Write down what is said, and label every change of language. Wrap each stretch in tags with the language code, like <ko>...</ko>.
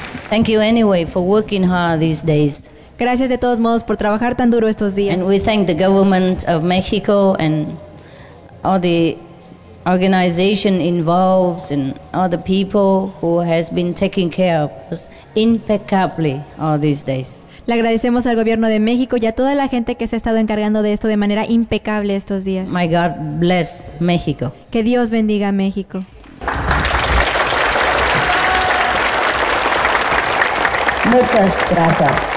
<en>Thank you anyway for working hard these days.</en> <es>Gracias de todos modos por trabajar tan duro estos días.</es> <en>And we thank the government of Mexico and all the organization involved and all the people who has been taking care of us impeccably all these days.</en> <es>Le agradecemos al gobierno de México y a toda la gente que se ha estado encargando de esto de manera impecable estos días.</es> <en>My God bless Mexico.</en> <es>Que Dios bendiga a México. Muchas gracias.</es>